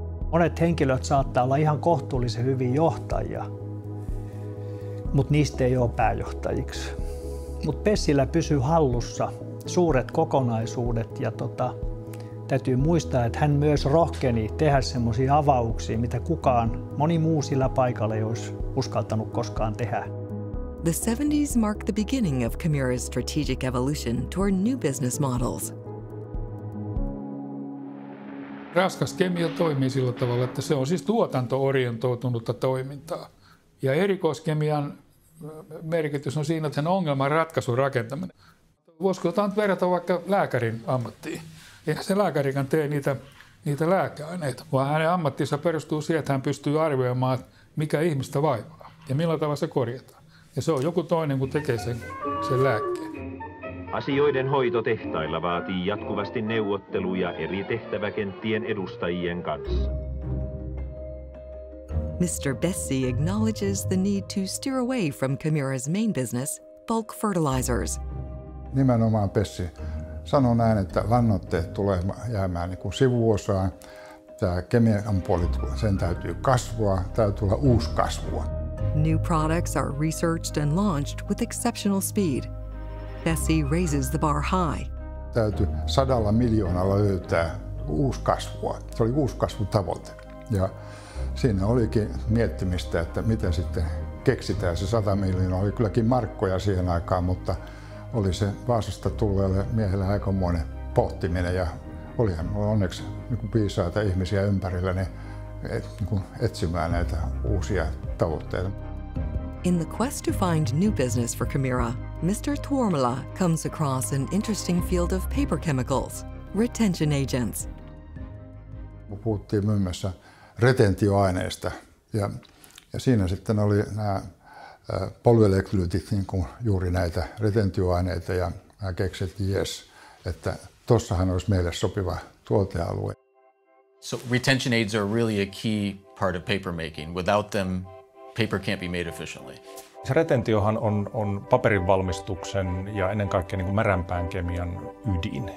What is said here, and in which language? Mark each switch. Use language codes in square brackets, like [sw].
[fi] Monet henkilöt saattaa olla ihan kohtuullisen hyviä johtajia, mutta niistä ei ole pääjohtajiksi. Mutta Bessillä pysyy hallussa suuret kokonaisuudet ja täytyy muistaa, että hän myös rohkeni tehdä semmoisia avauksia, mitä kukaan, moni muu sillä paikalla ei olisi uskaltanut koskaan tehdä. [en] The 70s marked the beginning of Kemira's strategic evolution toward new business models. [fi] Raskas kemia toimii sillä tavalla, että se on siis tuotanto-orientoitunutta toimintaa. Ja erikoiskemian merkitys on siinä, että sen ongelman ratkaisun rakentaminen. Voisiko jotain verrata vaikka lääkärin ammattiin? Eihän se lääkärikään tee niitä lääkeaineita, vaan hänen ammattinsa perustuu siihen, että hän pystyy arvioimaan, mikä ihmistä vaivaa ja millä tavalla se korjataan. Ja se on joku toinen, kun tekee sen lääkkeen. Asioiden hoito tehtailla vaatii jatkuvasti neuvotteluja eri tehtäväkenttien edustajien kanssa. [en] Mr. Bessie acknowledges the need to steer away from Kemira's main business bulk fertilizers. [fi] Nimenomaan Pessi sanoi näin, että lannoitteet tulee jäämään niin kuin sivuosaan. Tämä Kemiran puoli, sen täytyy kasvua, täytyy tulla uusi kasvua. [en] New products are researched and launched with exceptional speed. Bessie raises the bar high. [fi] Täytyy 100 miljoonalla löytää uusi kasvua. Se oli uusi kasvutavoite. Ja siinä olikin miettimistä, että mitä sitten keksitään se 100 miljoonaa. Oli kylläkin markkoja siihen aikaan, mutta oli se Vaasasta tulleelle miehelle aikamoinen pohtiminen. Ja olihan onneksi niin viisaita ihmisiä ympärillä, niin etsimään näitä uusia tavoitteita. [en] In the quest to find new business for Kemira, Mr. Tuomela comes across an interesting field of paper chemicals, retention agents. [fi] Me puhuttiin muun muassa retentioaineista ja siinä sitten oli nämä polyelektrolyytit, niin kuin juuri näitä retentioaineita, ja mä keksin, että jes, että tossahan olisi meille sopiva tuotealue. [en] So retention aids are really a key part of papermaking. Without them, paper can't be made efficiently. [fi] Se retentiohan on paperin valmistuksen ja ennen kaikkea niin kuin märänpään kemian ydin.